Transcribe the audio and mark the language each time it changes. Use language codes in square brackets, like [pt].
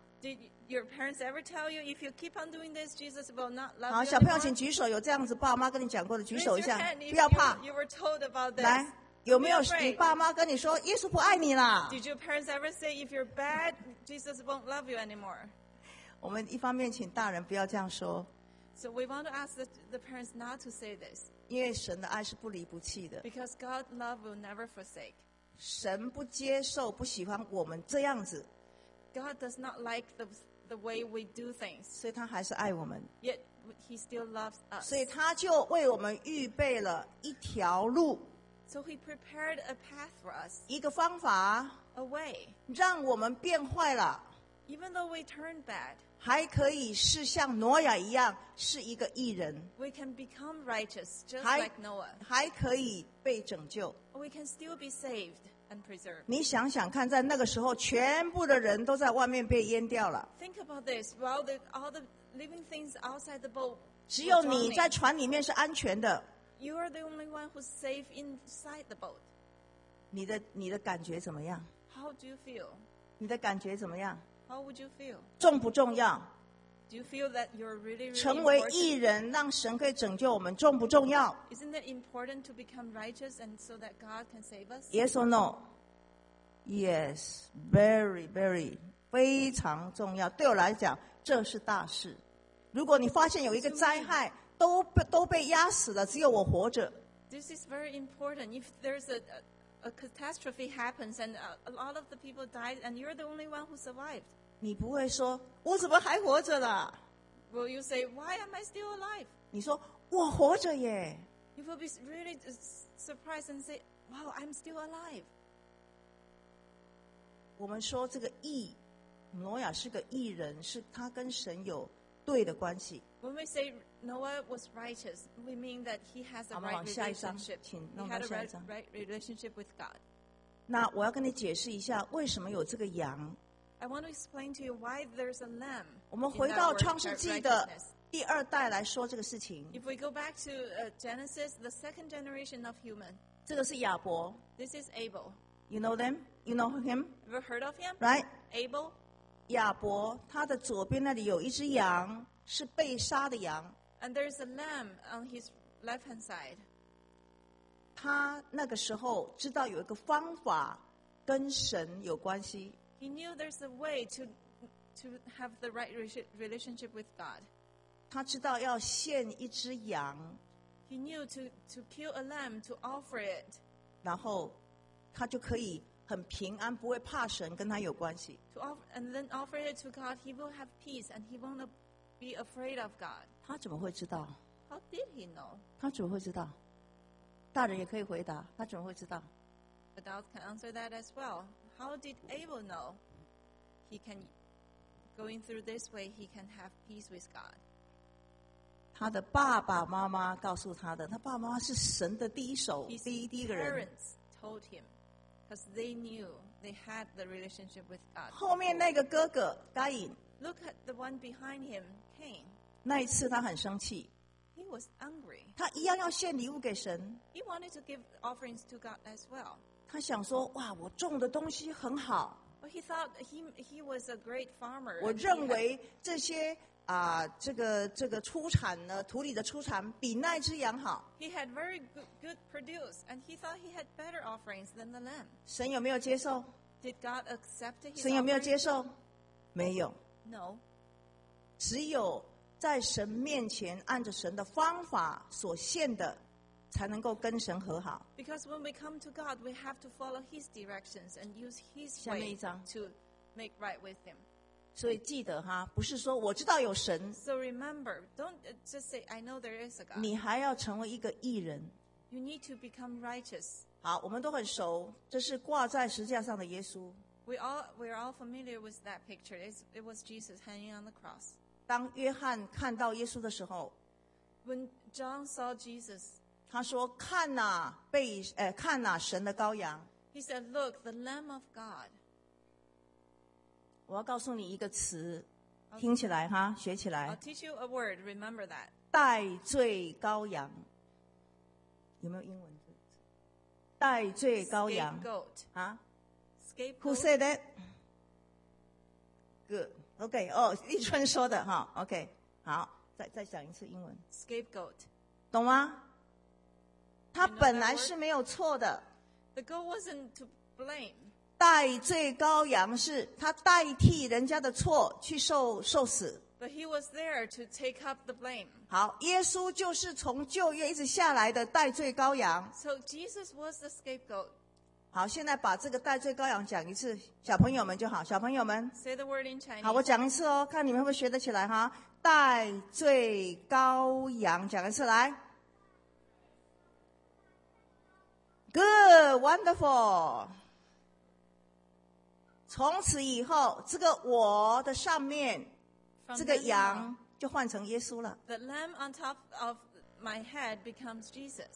[en] ？Did your parents ever tell you if you keep on doing this, Jesus will not love you? [zh] 好，小朋友请举手，有这样子爸妈跟你讲过的举手一下，不要怕。 [en] You were told about this. [zh] 来，有没有你爸妈跟你说耶稣不爱你了 [en] ？Did your parents ever say if you're bad, Jesus won't love you anymore? [zh] 我们一方面请大人不要这样说。 [en] So we want to ask the parents not to say this. [zh] 因为神的爱是不离不弃的。 [en] Because God's love will never forsake. [zh] 神不接受，不喜欢我们这样子。 [en] God does not like the way we do things. [zh] 所以他还是爱我们。 [en] Yet he still loves us. [zh] 所以他就为我们预备了一条路。 [en] So he prepared a path for us. [zh] 一个方法。 [en] A way. [zh] 让我们变坏了。 [en] Even though we turn bad. [zh] 还可以是像挪亚一样是一个义人。 [en] We can become righteous just like Noah. [zh] 还可以被拯救。 [en] We can still be saved and preserved. [zh] 你想想看在那个时候全部的人都在外面被淹掉了。 [en] Think about this. While all the living things outside the boat. [zh] 只有你在船里面是安全的。 [en] You are the only one who's safe inside the boat. [zh] 你的感觉怎么样 [en] ?How do you feel? [zh] 你的感觉怎么样 [en] How would you feel? [zh] 重不重要 [en] Do you feel that you're really, really [zh] 成为义人让神可以拯救我们重不重要 [en] Isn't it important to become righteous and so that God can save us? Yes or no? Yes, very, very [zh] 非常重要对我来讲这是大事如果你发现有一个灾害都被压死了只有我活着 [en] This is very important If there's a catastrophe happens and a lot of the people died and you're the only one who survived. [zh] 你不会说我怎么还活着了 [en] Will you say, why am I still alive? [zh] 你说我活着耶 [en] You will be really surprised and say, wow, I'm still alive. [zh] 我们说这个义挪亚是个义人是他跟神有对的关系 [en] When we say Noah was righteous, we mean that he has a right relationship. [zh] 好，我们往下一张，请弄到下一张。 [en] He had a right relationship with God. [zh] 那我要跟你解释一下，为什么有这个羊。 [en] I want to explain to you why there's a lamb. [zh] 我们回到创世纪的第二代来说这个事情。 [en] If we go back to Genesis, the second generation of human. [zh] 这个是亚伯。 [en] This is Abel. You know them? You know him? Ever heard of him? Right? Abel? [zh] 亚伯，他的左边那里有一只羊，是被杀的羊。 [en] And there's a lamb on his left hand side. [zh] 他那个时候知道有一个方法跟神有关系。 [en] He knew there's a way to have the right relationship with God. [zh] 他知道要献一只羊。 [en] He knew to kill a lamb to offer it. [zh] 然后他就可以很平安，不会怕神，跟他有关系。 [en] And then offer it to God, he will have peace and he won't be afraid of God. [zh] 他怎么会知道？ [en] How did he know? [zh] 他怎么会知道？大人也可以回答，他怎么会知道？ [en] Adult can answer that as well. How did Abel know? He can, going through this way, he can have peace with God. [zh] 他的爸爸妈妈告诉他的，他爸爸妈妈是神的第一手，第一个人。 [en] His parents told him. Because they knew they had the relationship with God. [zh] 后面那个哥哥该隐 [en] Look at the one behind him, Cain. [zh] 那一次他很生气 [en] He was angry. [zh] 他一样要献礼物给神 [en] He wanted to give offerings to God as well. [zh] 他想说哇我种的东西很好 [en] But he thought he was a great farmer. [zh] 我认为这些这个出产呢土里的出产比那只羊好 [en] He had very good produce and he thought he had better offerings than the lamb [zh] 神有没有接受 [en] Did God accept his [zh] 神有没有接受没有 [en] No [zh] 只有在神面前按着神的方法所献的才能够跟神和好 [en] Because when we come to God we have to follow his directions and use his way to make right with him [zh] 所以记得哈，不是说我知道有神。 [en] So remember, don't just say I know there is a God. [zh] 你还要成为一个义人。 [en] You need to become righteous. [zh] 好，我们都很熟，这是挂在十字架上的耶稣。 [en] We're all familiar with that picture. It was Jesus hanging on the cross. [zh] 当约翰看到耶稣的时候 [en] ，When John saw Jesus, [zh] 他说：“看哪、啊，被看哪、啊，神的羔羊。” [en] He said, "Look, the Lamb of God." [zh] 我要告诉你一个词，听起来哈，学起来。 [en] I'll teach you a word. Remember that. [zh] 代罪羔羊，有没有英文字？代罪羔羊。 [en] Scapegoat. 啊？Scapegoat. Who said that? Good. Okay. [zh] 哦，立春说的哈。 [en] OK. [zh] 好，再讲一次英文。 [en] Scapegoat. [zh] 懂吗？他本来是没有错的。 [en] The goat wasn't to blame. [zh] 代罪羔羊是他代替人家的错去受死。 [en] But he was there to take up the blame. [zh] 好，耶稣就是从旧约一直下来的代罪羔羊。 [en] So Jesus was the scapegoat. [zh] 好，现在把这个代罪羔羊讲一次，小朋友们就好，小朋友们。 [en] Say the word in Chinese. [zh] 好，我讲一次哦，看你们会不会学得起来哈。代罪羔羊，讲一次来。 [en] Good, wonderful. [zh] 从此以后，这个我的上面，这个羊就换成耶稣了。 [en] The lamb on top of my head becomes Jesus.